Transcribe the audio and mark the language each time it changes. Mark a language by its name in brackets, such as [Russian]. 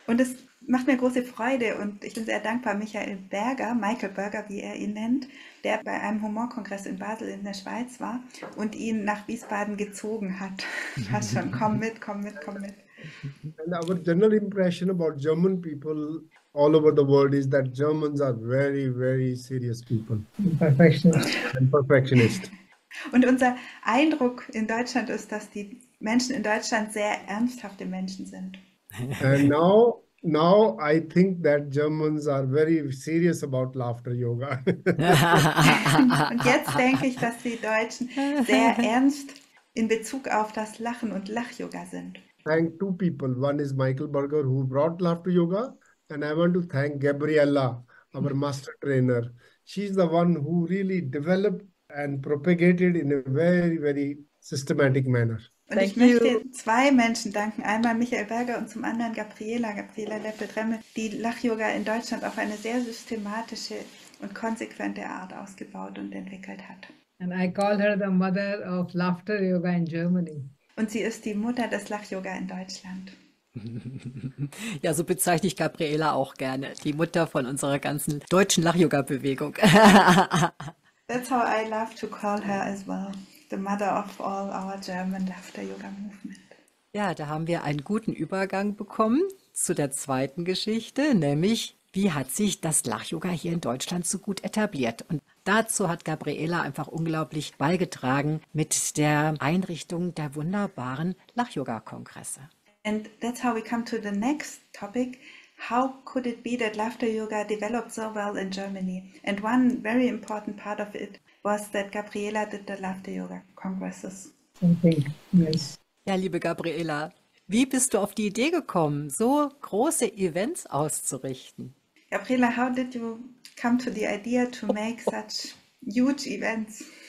[German] Und es macht mir große Freude und ich bin sehr dankbar, Michael Berger, Michael Berger, wie er ihn nennt, der bei einem Humorkongress in Basel in der Schweiz war und ihn nach Wiesbaden gezogen hat. Hast schon, komm mit. [English] And our general impression about German people all over the world is that Germans are very, very serious people. Perfectionist. [German] Und unser Eindruck in Deutschland ist, dass die Menschen in Deutschland sehr ernsthafte Menschen sind. [English] And now I think that Germans are very serious about laughter yoga. [German] Und jetzt denke ich, dass die Deutschen sehr ernst in Bezug auf das Lachen und Lach-Yoga sind. [English] Thank two people. One is Michael Berger, who brought laughter yoga. And I want to thank Gabriella, our master trainer. She's the one who really developed and propagated in a very, very systematic manner. [German] Und [English] thank [German] ich [English] you. [German] Möchte zwei Menschen danken. Einmal Michael Berger und zum anderen Gabriella Leffel-Dremmel, die Lach-Yoga in Deutschland auf eine sehr systematische und konsequente Art ausgebaut und entwickelt hat. [English] And I call her the mother of laughter yoga in Germany. [German] Und sie ist die Mutter des Lach-Yoga in Deutschland. Ja, so bezeichne ich Gabriela auch gerne, die Mutter von unserer ganzen deutschen Lach-Yoga-Bewegung. [English] That's how I love to call her as well, the mother of all our German Laughter-Yoga-Movement. [German] Ja, da haben wir einen guten Übergang bekommen zu der zweiten Geschichte, nämlich wie hat sich das Lach-Yoga hier in Deutschland so gut etabliert? Und dazu hat Gabriela einfach unglaublich beigetragen mit der Einrichtung der wunderbaren Lach-Yoga-Kongresse. [English] And that's how we come to the next topic. How could it be that Laughter Yoga developed so well in Germany? And one very important part of it was that Gabriela did the Laughter Yoga Congresses. Okay, yes. [German] Ja, liebe Gabriela, wie bist du auf die Idee gekommen, so große Events auszurichten? [English] Gabriela, how did you come to the idea to make such huge events?